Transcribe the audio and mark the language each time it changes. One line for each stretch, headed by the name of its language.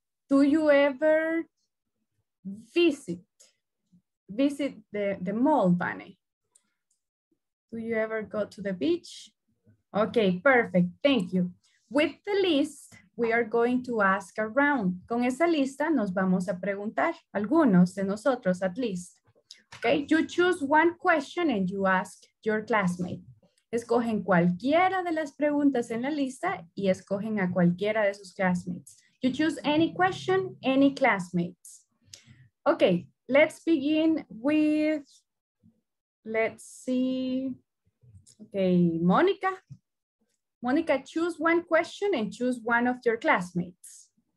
English: Do you ever visit the mall, Vane? Do you ever go to the beach? Okay, perfect, thank you. With the list, we are going to ask around.
Spanish: Con esa lista nos vamos a preguntar, algunos de nosotros
English: at least. Okay, you choose one question and you ask your classmate.
Spanish: Escogen cualquiera de las preguntas en la lista y escogen a cualquiera de sus classmates.
English: You choose any question, any classmates. Okay, let's begin with, let's see, okay, Monica. Monica, choose one question and choose one of your classmates.